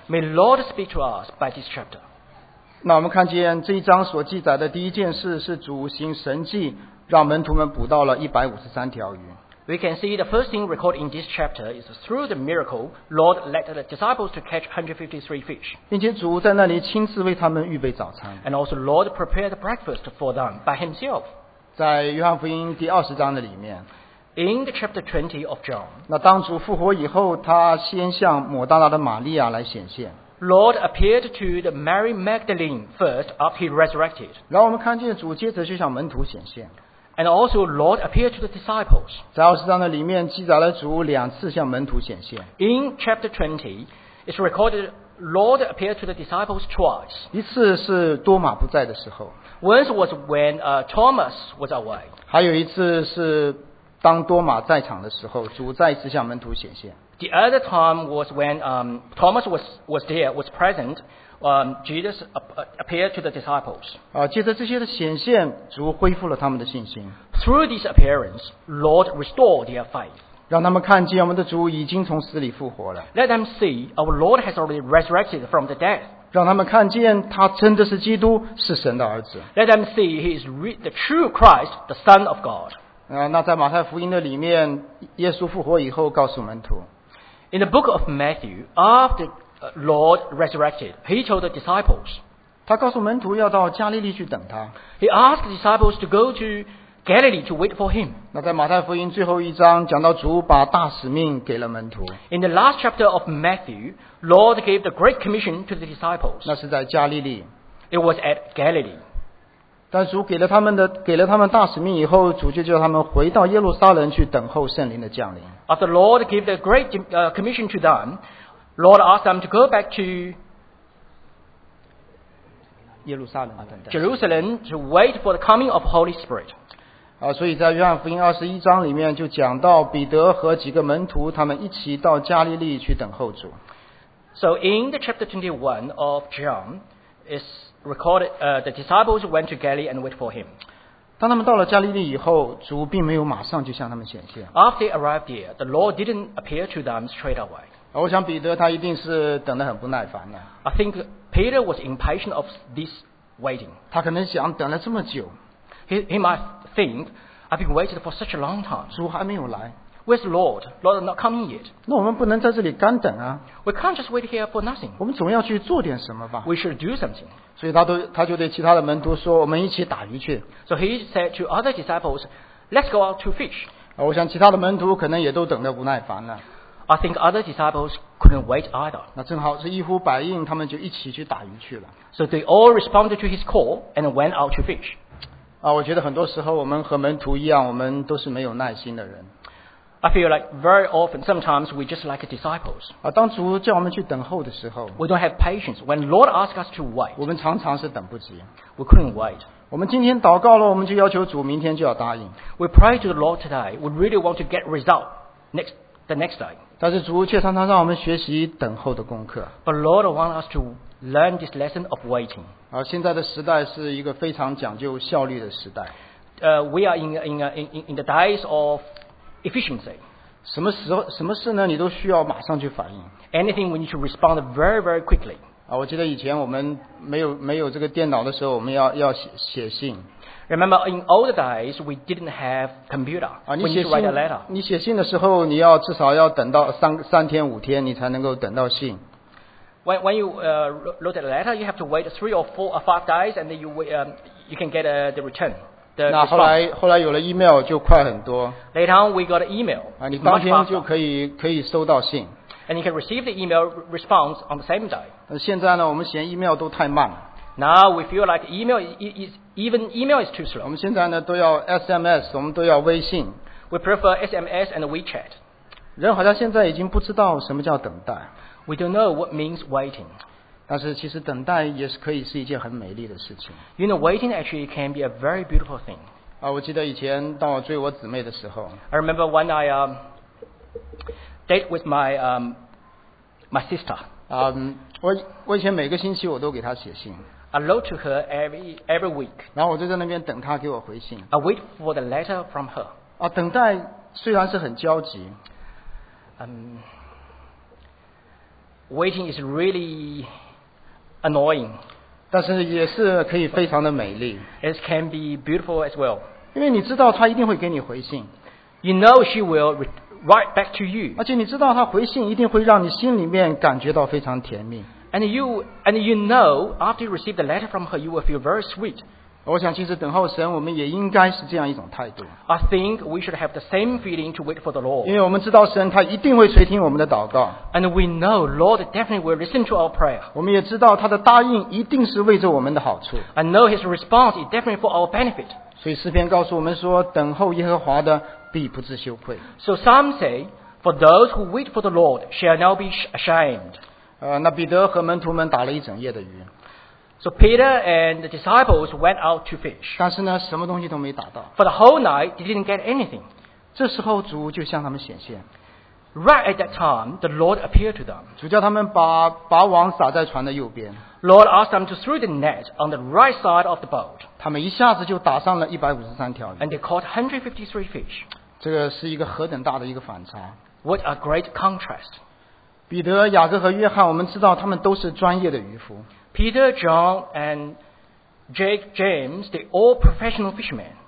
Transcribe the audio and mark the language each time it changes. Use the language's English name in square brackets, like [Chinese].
[English] May Lord speak to us by this chapter. [Chinese] 那我们看见这一章所记载的第一件事是主行神迹，让门徒们捕到了153条鱼。 [English] We can see the first thing recorded in this chapter is through the miracle, Lord led the disciples to catch 153 fish. [Chinese] 并且主在那里亲自为他们预备早餐。 [English] And also Lord prepared breakfast for them by himself. [Chinese] 在约翰福音第二十章的里面。 [English] In the chapter 20 of John. [Chinese] 那当主复活以后，他先向抹大拉的玛利亚来显现。 [English] Lord appeared to the Mary Magdalene first after he resurrected. [Chinese] 然后我们看见主接着就向门徒显现。 [English] And also Lord appeared to the disciples. [Chinese] 在二十章的里面记载了主两次向门徒显现。 [English] In chapter 20, it's recorded Lord appeared to the disciples twice. [Chinese] 一次是多马不在的时候。 [English] Once was when Thomas was away. [Chinese] 还有一次是当多马在场的时候，主再一次向门徒显现。 [English] The other time was when Thomas was there, was present. Jesus appeared to the disciples. [Chinese] 借着这些的显现，主恢复了他们的信心。 [English] Through this appearance, Lord restored their faith. [Chinese] 让他们看见我们的主已经从死里复活了。 [English] Let them see our Lord has already resurrected from the dead. [Chinese] 让他们看见他真的是基督，是神的儿子。 [English] Let them see he is the true Christ, the Son of God. [Chinese] 那在马太福音的里面，耶稣复活以后告诉门徒。 [English] In the book of Matthew, after Lord resurrected, he told the disciples. [Chinese] 他告诉门徒要到加利利去等他。 [English] He asked the disciples to go to Galilee to wait for him. [Chinese] 那在马太福音最后一章讲到主把大使命给了门徒。 [English] In the last chapter of Matthew, Lord gave the great commission to the disciples. [Chinese] 那是在加利利。 [English] It was at Galilee. [Chinese] 但主给了他们大使命以后，主就叫他们回到耶路撒冷去等候圣灵的降临。 [English] After Lord gave the great commission to them, Lord asked them to go back to Jerusalem. Jerusalem to wait for the coming of Holy Spirit. [Chinese] 啊，所以在约翰福音二十一章里面就讲到彼得和几个门徒他们一起到加利利去等候主。 [English] So in the chapter 21 of John, it's recorded the disciples went to Galilee and wait for him. [Chinese] 当他们到了加利利以后，主并没有马上就向他们显现。 [English] After they arrived here, the Lord didn't appear to them straight away. [Chinese] 我想彼得他一定是等得很不耐烦的。 [English] I think Peter was impatient of this waiting. [Chinese] 他可能想等了这么久。 [English] He might think, I've been waiting for such a long time. [Chinese] 主还没有来。 [English] Where's the Lord? Lord is not coming yet. [Chinese] 那我们不能在这里干等啊。 [English] We can't just wait here for nothing. [Chinese] 我们总要去做点什么吧。 [English] We should do something. [Chinese] 所以他就对其他的门徒说，我们一起打鱼去。 [English] So he said to other disciples, let's go out to fish. [Chinese] 我想其他的门徒可能也都等得不耐烦了。 [English] I think other disciples couldn't wait either. [Chinese] 那正好是一呼百应，他们就一起去打鱼去了。 [English] So they all responded to his call and went out to fish. [Chinese] 啊，我觉得很多时候我们和门徒一样，我们都是没有耐心的人。 [English] I feel like very often, sometimes we just like disciples. [Chinese] 啊，当主叫我们去等候的时候 [English] ，we don't have patience. When Lord asks us to wait, [Chinese] 我们常常是等不及。 [English] We couldn't wait. [Chinese] 我们今天祷告了，我们就要求主明天就要答应。 [English] We pray to the Lord today. We really want to get result the next day. [Chinese] 但是主却常常让我们学习等候的功课。 [English] But Lord wants us to learn this lesson of waiting. [Chinese] 而现在的时代是一个非常讲究效率的时代。 [English] We are in the days of efficiency. [Chinese] 什么事呢？你都需要马上去反应。 [English] Anything we need to respond very very quickly. [Chinese] 啊，我记得以前我们没有这个电脑的时候，我们要写信。 [English] Remember, in old days, we didn't have computer. [Chinese] 啊，你写信， [English] write a letter. [Chinese] 你写信的时候，你要至少要等到三天五天，你才能够等到信。 [English] When you wrote a letter, you have to wait three or four or five days, and then you can get the return. The [Chinese] 那后来有了 email 就快很多。 [English] Later on, we got an email. [Chinese] 啊，你当天就可以收到信。 [English] And you can receive the email response on the same day. [Chinese] 现在呢，我们嫌 email 都太慢了。 [English] Now we feel like even email is too slow. [Chinese] 我们现在呢都要 SMS， 我们都要微信。 [English] We prefer SMS and WeChat. [Chinese] 人好像现在已经不知道什么叫等待。 [English] We don't know what means waiting. [Chinese] 但是其实等待也是可以是一件很美丽的事情。 [English] You know, waiting actually can be a very beautiful thing. [Chinese] 啊，我记得以前当我追我姊妹的时候。 [English] I remember when I date with my sister. [Chinese] 我以前每个星期我都给她写信。 [English] I wrote to her every week. [Chinese] 然后我就在那边等她给我回信。 [English] I wait for the letter from her. [Chinese] 啊，等待虽然是很焦急。 [English] Waiting is really annoying. [Chinese] 但是也是可以非常的美丽。 [English] It can be beautiful as well. [Chinese] 因为你知道她一定会给你回信。 [English] You know she will write back to you. [Chinese] 而且你知道她回信一定会让你心里面感觉到非常甜蜜。 [English] And you know, after you receive the letter from her, you will feel very sweet. [Chinese] 我想其实等候神，我们也应该是这样一种态度。 [English] I think we should have the same feeling to wait for the Lord. [Chinese] 因为我们知道神，他一定会垂听我们的祷告。 [English] And we know Lord definitely will listen to our prayer. [Chinese] 我们也知道他的答应一定是为着我们的好处。 [English] I know his response is definitely for our benefit. [Chinese] 所以诗篇告诉我们说，等候耶和华的必不至羞愧。 [English] So some say, for those who wait for the Lord shall not be ashamed. [Chinese] 那彼得和门徒们打了一整夜的鱼。 [English] So Peter and the disciples went out to fish. [Chinese] 但是呢，什么东西都没打到。 [English] For the whole night, they didn't get anything. [Chinese] 这时候主就向他们显现。 [English] Right at that time, the Lord appeared to them. [Chinese] 主叫他们把网撒在船的右边。 [English] Lord asked them to throw the net on the right side of the boat. [Chinese] 他们一下子就打上了153条鱼。 [English] And they caught 153 fish. [Chinese] 这个是一个何等大的一个反差。 [English] What a great contrast. [Chinese] 彼得、雅各和约翰，我们知道他们都是专业的渔夫。 [English] Peter, John, and Jake, James, they all professional fishermen.